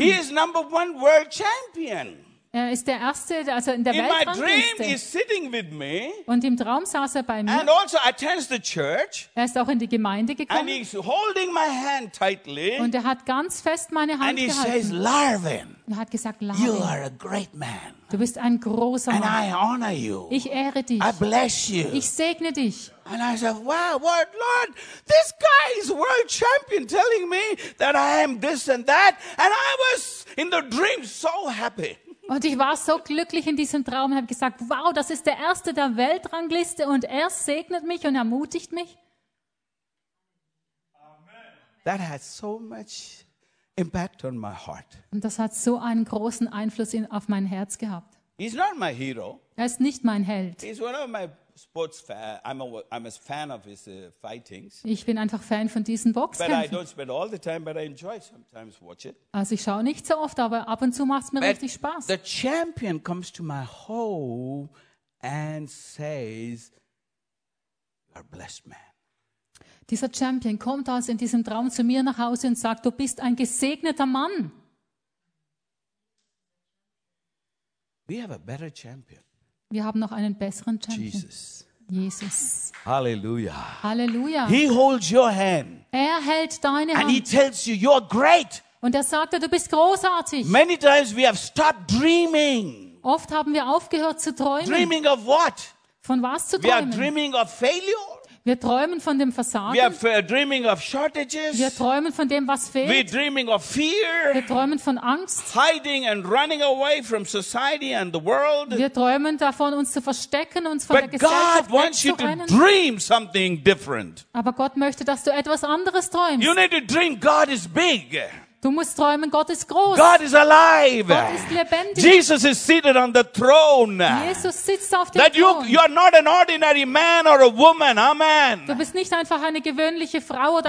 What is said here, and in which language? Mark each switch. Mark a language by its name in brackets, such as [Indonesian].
[English] He is number one world champion. [German] Er ist der Erste, also in der [English] Welt. In my dream, he's sitting with me. [German] Und im Traum saß er bei mir. [English] And also attends the church. [German] Er ist auch in die Gemeinde gekommen. [English] And he's holding my hand tightly. [German] Und er hat ganz fest meine Hand gehalten. [English] And he says, Larvin. [German] Er hat gesagt, Larvin. [English] You are a great man. [German] Du bist ein großer Mann. [English] And I honor you. [German] Ich ehre dich. [English] I bless you. [German] Ich segne dich. [English] And I said, wow, what, Lord, this guy is world champion telling me that I am this and that. And I was in the dream so happy. [German] Und ich war so glücklich in diesem Traum und habe gesagt, wow, das ist der Erste der Weltrangliste und er segnet mich und ermutigt mich. [English] That has so much impact on my heart. [German] Und das hat so einen großen Einfluss auf mein Herz gehabt. [English] He's not my hero. [German] Er ist nicht mein Held. [English] He's one of my sports fan. I'm a fan of his fightings. [German] Ich bin einfach Fan von diesen Boxkämpfen. [English] But I don't spend all the time, but I enjoy sometimes watch it. [German] Also ich schaue nicht so oft, aber ab und zu macht es mir richtig Spaß. [English] The champion comes to my home and says, "You're a blessed man." [German] Dieser Champion kommt also in diesem Traum zu mir nach Hause und sagt, du bist ein gesegneter Mann. [English] We have a better champion. [German] Wir haben noch einen besseren Champion. [English] Jesus. [German] Jesus. [English] Halleluja. [German] Halleluja. [English] He holds your hand. [German] Er hält deine Hand. [English] And he tells you, you're great. [German] Und er sagt dir, du bist großartig. [English] Many times we have stopped dreaming. [German] Oft haben wir aufgehört zu träumen. [English] Dreaming of what? [German] Von was zu träumen? [English] We are dreaming of failure. [German] Wir träumen von dem Versagen. [English] We are dreaming of shortages. [German] Wir träumen von dem, was fehlt. [English] We are dreaming of fear. [German] Wir träumen von Angst. [English] Hiding and running away from society and the world. [German] Wir träumen davon, uns zu verstecken, uns von [English] But [German] der Gesellschaft wegzurennen. [English] God wants you to dream something different. [German] Aber Gott möchte, dass du etwas anderes träumst. [English] You need to dream God is big. [German] Du musst träumen, Gott ist groß. [English] God is alive. [German] Gott ist lebendig. [English] Jesus is seated on the throne. [German] Jesus sitzt auf dem [English] That [German] Thron. [English] That you are not an ordinary man or a woman. Amen. [German] Du bist nicht einfach eine gewöhnliche Frau oder